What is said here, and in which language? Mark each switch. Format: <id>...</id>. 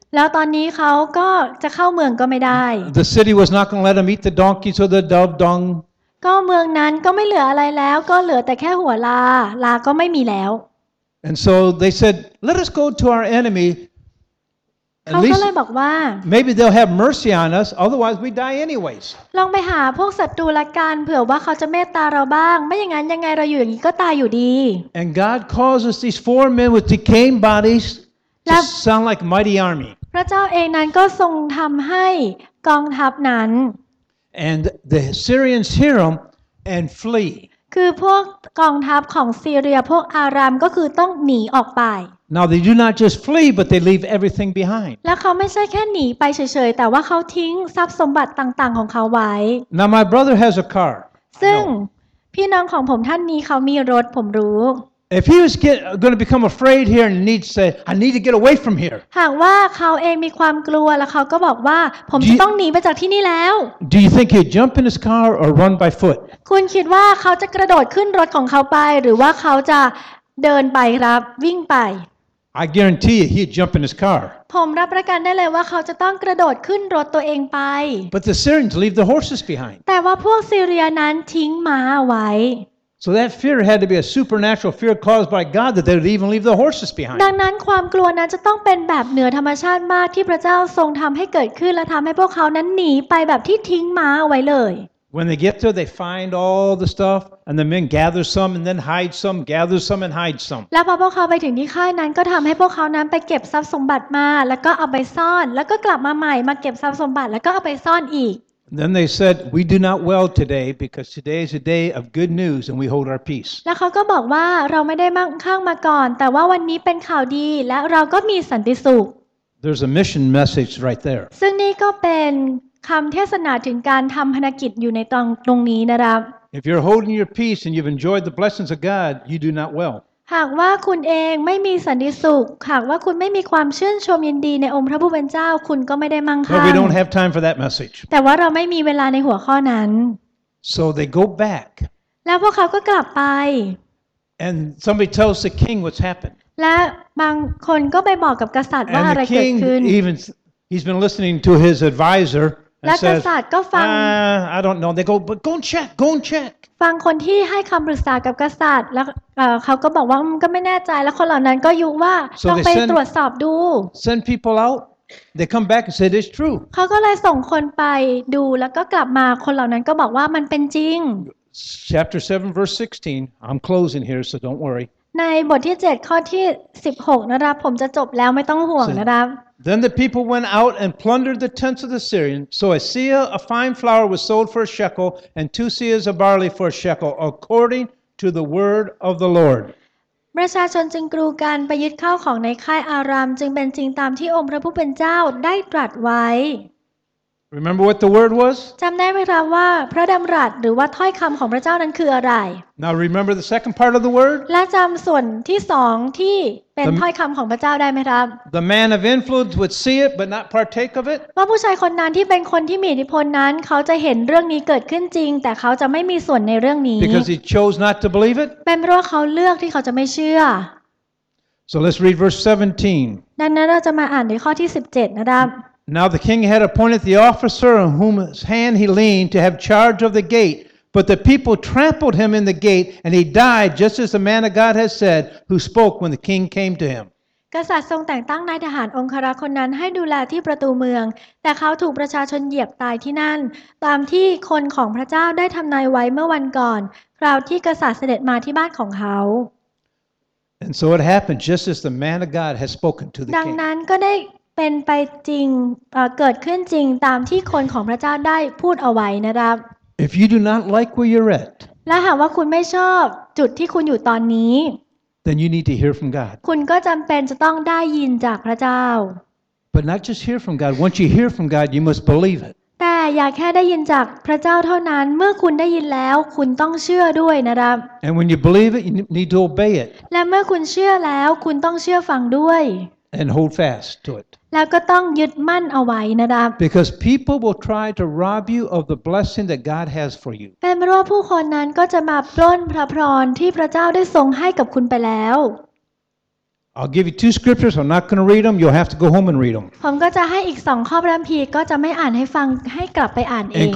<th>แล้วตอนนี้เขาก็จะเข้าเมืองก็ไม่ได้</th> <en>The city was not going to let them eat the donkeys or the dove dung.</en> <th>ก็เมืองนั้นก็ไม่เหลืออะไรแล้วก็เหลือแต่แค่หัวลาลาก็ไม่มีแล้ว</th> <en>And so they said, "Let us go to our enemy."</en> <th>เขาก็เลยบอกว่า</th> <en>Maybe they'll have mercy on us, otherwise we die anyways.</en> <th>ลองไปหาพวกศัตรูละกันเผื่อว่าเขาจะเมตตาเราบ้างไม่อย่างนั้นยังไงเราอยู่อย่างนี้ก็ตายอยู่ดี</th> <en>And God causes these four men with decaying bodies to sound like mighty army.</en> <th>พระเจ้าเองนั้นก็ทรงทำให้กองทัพนั้น</th> <en>And the Syrians hear them and flee.</en> <th>คือพวกกองทัพของซีเรียพวกอารามก็คือต้องหนีออกไป</th> <en>Now they do not just flee, but they leave everything behind.</en> <th>แล้วเขาไม่ใช่แค่หนีไปเฉยๆแต่ว่าเขาทิ้งทรัพย์สมบัติต่างๆของเขาไว้</th> <en>Now my brother has a car.</en> <th>ซึ่งพี่น้องของผมท่านนี้เขามีรถผมรู้</th> <en>If he was going to become afraid here and need to say, I need to get away from here.</en> <th>หากว่าเขาเองมีความกลัวแล้วเขาก็บอกว่าผมจะต้องหนีไปจากที่นี่แล้ว</th> <en>Do you think he'd jump in his car or run by foot?</en> <th>คุณคิดว่าเขาจะกระโดดขึ้นรถของเขาไปหรือว่าเขาจะเดินไปครับวิ่งไป</th> <en>I guarantee you, he'd jump in his car.</en> <th>ผมรับประกันได้เลยว่าเขาจะต้องกระโดดขึ้นรถตัวเองไป</th> <en>But the Syrians leave the horses behind.</en> <th>แต่ว่าพวกซีเรียนั้นทิ้งม้าไว้</th> <en>So that fear had to be a supernatural fear caused by God that they would even leave the horses behind.</en> <th>ดังนั้นความกลัวนั้นจะต้องเป็นแบบเหนือธรรมชาติมากที่พระเจ้าทรงทำให้เกิดขึ้นและทำให้พวกเขานั้นหนีไปแบบที่ทิ้งม้าไว้เลย</th> <en>When they get there, they find all the stuff, and the men gather some and then hide some, gather some and hide some.</en> <th>แล้วพอพวกเขาไปถึงที่ค่ายนั้นก็ทำให้พวกเขานั้นไปเก็บทรัพย์สมบัติมาแล้วก็เอาไปซ่อนแล้วก็กลับมาใหม่มาเก็บทรัพย์สมบัติแล้วก็เอาไปซ่อนอีก</th> <en>Then they said, "We do not well today because today is a day of good news, and we hold our peace."</en> <th>แล้วเขาก็บอกว่าเราไม่ได้มั่งคั่งมาก่อนแต่ว่าวันนี้เป็นข่าวดีและเราก็มีสันติสุข</th> <en>There's a mission message right there.</en> <th>ซึ่งนี่ก็เป็นคำเทศนาถึงการทำภารกิจอยู่ในตรงนี้นะครับ</th> <en>If you're holding your peace and you've enjoyed the blessings of God, you do not well.</en> <th>หากว่าคุณเองไม่มีสันติสุขหากว่าคุณไม่มีความชื่นชมยินดีในองค์พระผู้เป็นเจ้าคุณก็ไม่ได้มั่งคั่ง</th> <en>But we don't have time for that message.</en> <th>แต่ว่าเราไม่มีเวลาในหัวข้อนั้น</th> <en>So they go back.</en> <th>แล้วพวกเขาก็กลับไป</th> <en>And somebody tells the king what's happened.</en> <th>และบางคนก็ไปบอกกับกษัตริย์ว่าอะไรเกิดขึ้น</th> <en>And the king even he's been listening to his advisor.</en> <th>และกษัตริย์ก็ฟัง</th> <en>I don't know they go but go and check go and check</en> <th>ฟังคนที่ให้คำปรึกษากับกษัตริย์แล้วเขาก็บอกว่ามันก็ไม่แน่ใจแล้วคนเหล่านั้นก็ยุว่าต้องไปตรวจสอบดู</th> <en>send people out they come back and say it's true</en> <th>เขาก็เลยส่งคนไปดูแล้วก็กลับมาคนเหล่านั้นก็บอกว่ามันเป็นจริง</th> <en>chapter 7 verse 16 I'm closing here so don't worry</en> <th>ในบทที่7ข้อที่16นะครับผมจะจบแล้วไม่ต้องห่วงนะครับ</th> <en>Then the people went out and plundered the tents of the Syrians. So a seah of fine flour was sold for a shekel, and two seahs of barley for a shekel, according to the word of the Lord.</en> <th>ประชาชนจึงกรูกันไปยึดข้าวของในค่ายอารามจึงเป็นจริงตามที่องค์พระผู้เป็นเจ้าได้ตรัสไว้</th> <en>Remember what the word was?</en> <th>จำได้ไหมครับว่าพระดำรัสหรือว่าถ้อยคำของพระเจ้านั้นคืออะไร</th> <en>Now remember the second part of the word?</en> <th>และจำส่วนที่สองที่เป็นถ้อยคำของพระเจ้าได้ไหมครับ</th> <en>The man of influence would see it but not partake of it?</en> <th>ว่าผู้ชายคนนั้นที่เป็นคนที่มีอิทธิพลนั้นเขาจะเห็นเรื่องนี้เกิดขึ้นจริงแต่เขาจะไม่มีส่วนในเรื่องนี้</th> <en>Because he chose not to believe it?</en> <th>เป็นเพราะเขาเลือกที่เขาจะไม่เชื่อ</th> <en>So let's read verse 17</en> <th>ดังนั้นเราจะมาอ่านในข้อที่17นะครับ</th> <en>Now the king had appointed the officer on whom his hand he leaned to have charge of the gate. But the people trampled him in the gate, and he died just as the man of God had said, who spoke when the king came to him.</en> <th>กษัตริย์ทรงแต่งตั้งนายทหารองครักษ์คนนั้นให้ดูแลที่ประตูเมืองแต่เขาถูกประชาชนเหยียบตายที่นั่นตามที่คนของพระเจ้าได้ทำนายไว้เมื่อวันก่อนคราวที่กษัตริย์เสด็จมาที่บ้านของเขา</th> <en>And so it happened just as the man of God had spoken to the king.</en> <th>ดังนั้นก็ได้เป็นไปจริงเกิดขึ้นจริงตามที่คนของพระเจ้าได้พูดเอาไว้นะครับ</th> <en>If you do not like where you're at,</en> <th>และหากว่าคุณไม่ชอบจุดที่คุณอยู่ตอนนี้</th> <en>then you need to hear from God.</en> <th>คุณก็จำเป็นจะต้องได้ยินจากพระเจ้า</th> <en>But not just hear from God. Once you hear from God, you must believe it.</en> <th>แต่อย่าแค่ได้ยินจากพระเจ้าเท่านั้นเมื่อคุณได้ยินแล้วคุณต้องเชื่อด้วยนะครับ</th> <en>And when you believe it, you need to obey it.</en> <th>และเมื่อคุณเชื่อแล้วคุณต้องเชื่อฟังด้วย</th> <en>And hold fast to it.</en> <th>แล้วก็ต้องยึดมั่นเอาไว้นะครับ</th> <en>Because people will try to rob you of the blessing that God has for you.</en> <th>เป็นเพราะผู้คนนั้นก็จะมาปล้นพระพรที่พระเจ้าได้ทรงให้กับคุณไปแล้ว</th> <en>I'll give you two scriptures. I'm not going to read them. You'll have to go home and read them.</en> <th>ผมก็จะให้อีกสองข้อพระคัมภีร์ก็จะไม่อ่านให้ฟังให้กลับไปอ่านเองนะคร</th>